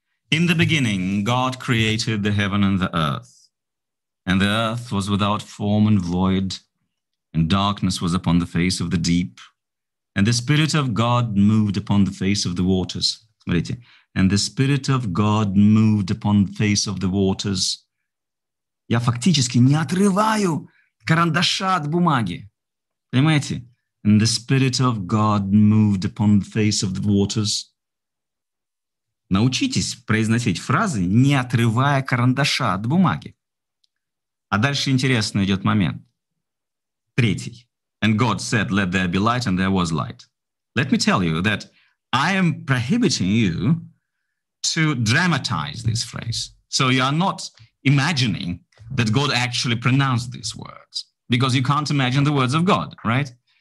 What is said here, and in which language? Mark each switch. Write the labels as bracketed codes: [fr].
[en] In the beginning, God created the heaven and the earth, and the earth was without form and void, and darkness was upon the face of the deep, and the Spirit of God moved upon the face of the waters. And the Spirit of God moved upon the face of the waters. [ru] Я фактически не отрываю карандаша от бумаги. Понимаете? [en] And the Spirit of God moved upon the face of the waters. [ru] Научитесь произносить фразы, не отрывая карандаша от бумаги. А дальше интересный идет момент. Третий. [en] And God said, let there be light, and there was light. Let me tell you that I am prohibiting you to dramatize this phrase. So you are not imagining that God actually pronounced these words, because you can't imagine the words of God, right?